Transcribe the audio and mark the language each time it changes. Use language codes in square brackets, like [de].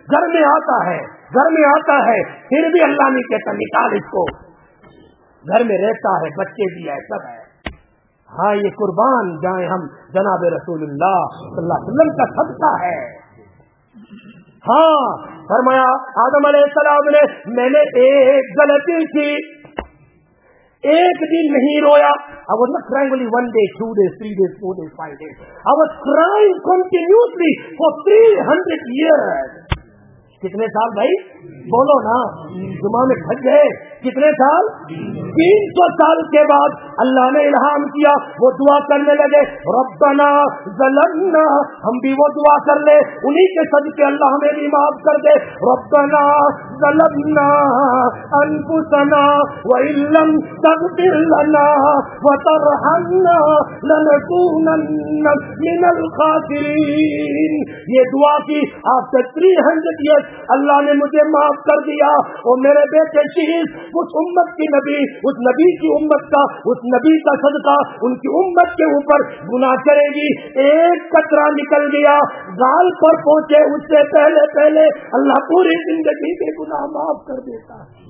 [ur] گھر میں آتا ہے، گھر میں آتا ہے، پھر بھی اللہ نہیں کہتا نکال اس کو، گھر میں رہتا ہے، بچے بھی ہے، سب ہے. ہاں یہ قربان جائیں ہم جناب رسول اللہ صلی اللہ علیہ وسلم کا صدقہ ہے. ہاں فرمایا آدم علیہ السلام نے میں نے ایک غلطی کی، ایک دن نہیں رویا. [en] I was not crying only one day, two days, three days, four days, five days. I was crying continuously for 300 years. [ur] کتنے سال بھائی بولو نا، زمانے میں پھنس گئے. کتنے سال؟ 300 سال کے بعد اللہ نے الہام کیا، وہ دعا کرنے لگے [ar] ربنا ظلمنا، [ur] ہم بھی وہ دعا کر لے انہی کے صدقے اللہ ہمیں بھی معاف کر دے. [ar] ربنا ظلمنا انفسنا وان لم تغفر لنا وترحمنا لنكونن من الخاسرین. [ur] یہ دعا کی آپ سے 300 ایئرس، اللہ نے مجھے معاف کر دیا. اور میرے بیٹے شیز اس امت کی نبی، اس نبی کی امت کا، اس نبی کا صدقہ ان کی امت کے اوپر گناہ کرے گی. ایک قطرہ نکل گیا گال پر پہنچے اس سے پہلے پہلے اللہ پوری زندگی کے گناہ معاف کر دیتا.